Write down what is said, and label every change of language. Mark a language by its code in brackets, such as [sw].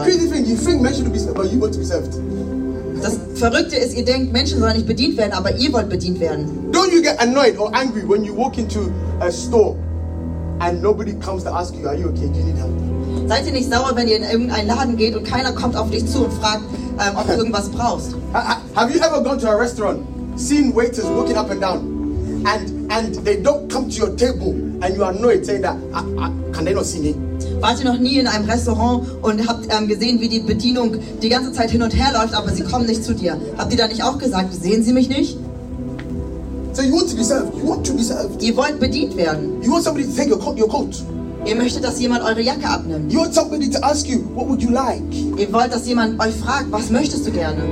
[en] And the crazy thing, you think men shouldn't be served, but you want to be served. [de] Das Verrückte ist, ihr denkt, Menschen sollen nicht bedient werden, aber ihr wollt bedient werden. [en] Don't you get annoyed or angry when you walk into a store and nobody comes to ask you, are you okay? Do you need help? [de] Seid ihr nicht sauer, wenn ihr in irgendeinen Laden geht und keiner kommt auf dich zu und fragt, ob du irgendwas brauchst? [en] Have you ever gone to a restaurant, seen waiters walking up and down, and they don't come to your table and you are annoyed, saying that, can they not see me? [de] Wart ihr noch nie in einem Restaurant und habt gesehen, wie die Bedienung die ganze Zeit hin und her läuft, aber sie kommen nicht zu dir? Habt ihr da nicht auch gesagt, sehen sie mich nicht? [en] So you want to be served. You want to be served. [de] Ihr wollt bedient werden. [en] You want somebody to take your coat. [de] Ihr möchtet, dass jemand eure Jacke abnimmt. [en] You want somebody to ask you, what would you like? [de] Ihr wollt, dass jemand euch fragt, was möchtest du gerne?